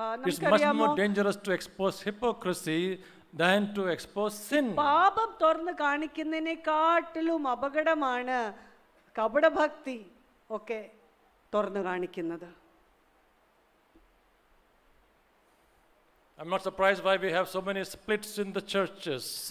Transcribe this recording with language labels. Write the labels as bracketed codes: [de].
[en] It's much more dangerous to expose hypocrisy than to expose sin. [ml] പാപം തുറന്നു കാണിക്കുന്നതിനേക്കാട്ടിലും അപകടമാണ് കപടഭക്തി ഒക്കെ തുറന്നു കാണിക്കുന്നത്. [en] I'm not surprised why we have so many splits in the churches.